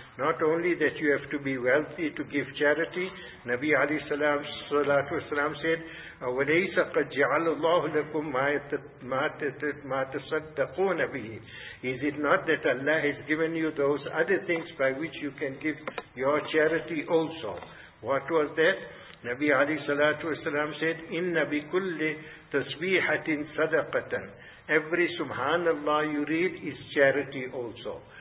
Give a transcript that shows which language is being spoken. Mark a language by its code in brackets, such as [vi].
[en] Not only that you have to be wealthy to give charity. Nabi alayhi salatu wasalam said, [ar] وَلَيْسَ قَدْ جَعَلُ اللَّهُ لَكُمْ مَا تَصَدَّقُونَ بِهِ. [en] Is it not that Allah has given you those other things by which you can give your charity also? What was that? [ar] Nabi alayhi salatu wasalam said, إِنَّ بِكُلِّ تَصْبِيحَةٍ صَدَقَةً. [en] Every subhanallah you read is charity also.